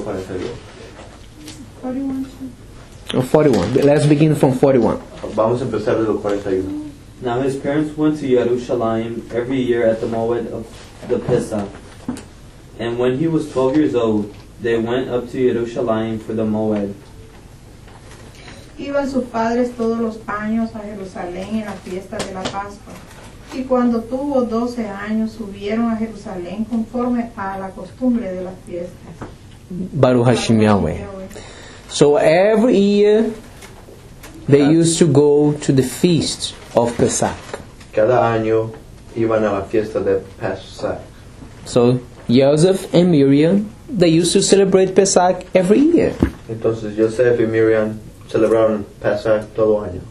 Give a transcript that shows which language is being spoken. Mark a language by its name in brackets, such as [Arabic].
[English] 42. 41. Let's begin from 41. [Spanish] Vamos a empezar desde el 41. [English] Now his parents went to Jerusalem every year at the moment of the Pesach. And when he was 12 years old, they went up to Jerusalem for the Moed. [Spanish] Iban sus padres todos los años a Jerusalén en la fiesta de la Pascua. Y cuando tuvo 12 años, subieron a Jerusalén conforme a la costumbre de las fiestas. [Hebrew] Baruch Hashem Yahweh. [English] So every year, they used to go to the feast of Pesach. [Spanish] Cada año, iban a la fiesta de Pesach. [English] So Joseph and Miriam, they used to celebrate Pesach every year. [Spanish] Entonces, Joseph y Miriam celebraron Pesach todo año.